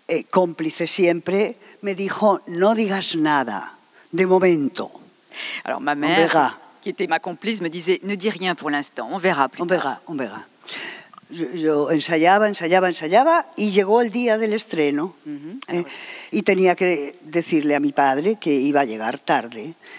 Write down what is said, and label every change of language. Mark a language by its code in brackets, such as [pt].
[es] Cómplice siempre, me dijo, no digas nada, de momento. [fr] Alors ma mère, qui était ma complice, me disait, ne dis rien pour l'instant, on verra plus tard. On verra. [es] Yo ensayaba, y llegó el día del estreno. Uh-huh. Y tenía que decirle a mi padre que iba a llegar tarde.